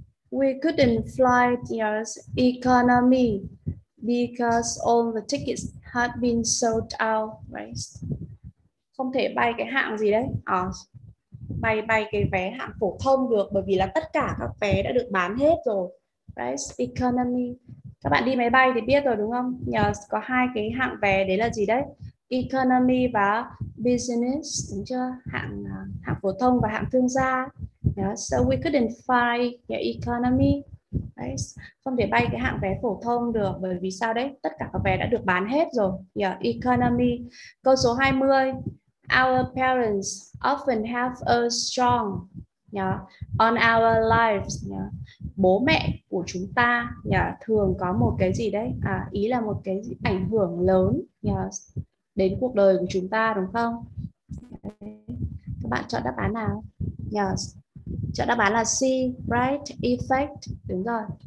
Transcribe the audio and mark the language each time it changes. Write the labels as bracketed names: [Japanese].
[English] We couldn't fly Air's economy because all the tickets had been sold out, right? [Vietnamese] Không thể bay cái hạng gì đấy? Bay cái vé hạng phổ thông được bởi vì là tất cả các vé đã được bán hết rồi. Right? Economy. Các bạn đi máy bay thì biết rồi đúng không? Air's có hai cái hạng vé đấy là gì đấy? Economy và business, đúng chưa? Hạng phổ thông và hạng thương gia. [English] Yeah, so we couldn't fly the economy, right? [Vietnamese] Không thể bay cái hạng vé phổ thông được bởi vì sao đấy? Tất cả các vé đã được bán hết rồi. Yeah, economy. Câu số 20. [English] Our parents often have a strong, yeah, on our lives. Yeah. [Vietnamese] Bố mẹ của chúng ta, yeah, thường có một cái gì đấy? À, ý là một cái ảnh hưởng lớn, yeah, đến cuộc đời của chúng ta đúng không? Các bạn chọn đáp án nào? Yes. Chọn đáp án là C, right effect. Đúng rồi.